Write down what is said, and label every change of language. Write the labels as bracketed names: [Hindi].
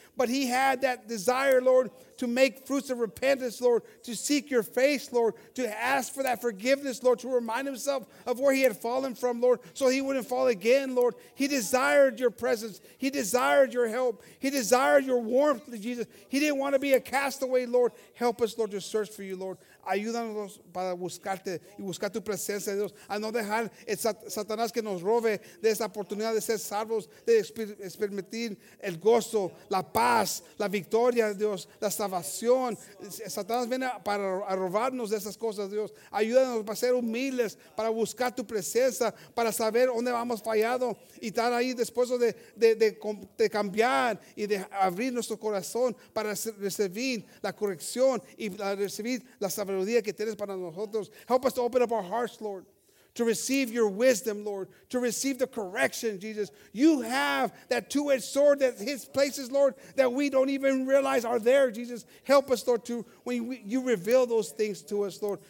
[English] But he had that desire, Lord, to make fruits of repentance, Lord, to seek your face, Lord, to ask for that forgiveness, Lord, to remind himself of where he had fallen from, Lord, so he wouldn't fall again, Lord. He desired your presence. He desired your help. He desired your warmth, Jesus. He didn't want to be a castaway, Lord. Help us, Lord, to search for you, Lord. [Spanish] Ayúdanos para buscarte y buscar tu presencia, Dios, a no dejar el Satanás que nos robe de esa oportunidad de ser salvos, de experimentar el gozo, la paz, la victoria, Dios, la salvación. Satanás viene para a robarnos de esas cosas, Dios. Ayúdanos para ser humildes, para buscar tu presencia, para saber dónde hemos fallado y estar ahí después de cambiar y de abrir nuestro corazón para recibir la corrección y recibir la salvación. [English] Help us to open up our hearts, Lord, to receive your wisdom, Lord, to receive the correction, Jesus. You have that two-edged sword that hits places, Lord, that we don't even realize are there, Jesus. Help us, Lord, to when you reveal those things to us, Lord.